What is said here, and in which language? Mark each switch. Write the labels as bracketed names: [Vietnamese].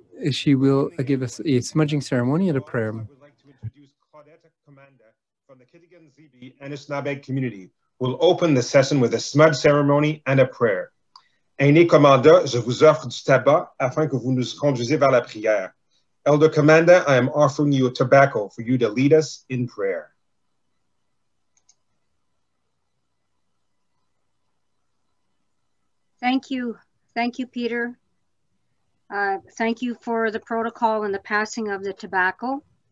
[English] She will give us a smudging ceremony and a prayer. I would like to introduce Claudetta Commander from the Kitiganzibi Anishinaabeg community, who will open the session with a smudge ceremony and a prayer. [French] Aîné Commander, je vous offre du tabac afin que vous nous conduisez vers la prière. [English] Elder Commander, I am offering you a tobacco for you to lead us in prayer. Thank you, Peter. Thank you for the protocol and the passing of the tobacco.